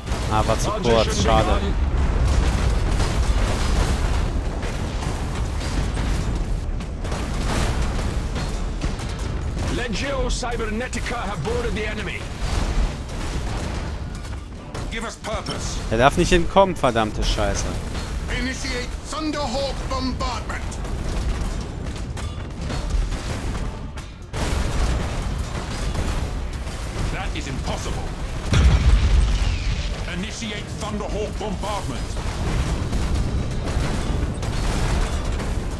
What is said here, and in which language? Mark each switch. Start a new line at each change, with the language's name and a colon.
German: Ah, war zu kurz, schade.
English: Legio Cybernetica have boarded the enemy. Give us purpose.
German: Er darf nicht entkommen, verdammte Scheiße.
English: Initiate Thunderhawk bombardment. Impossible. Initiate Thunderhawk bombardment.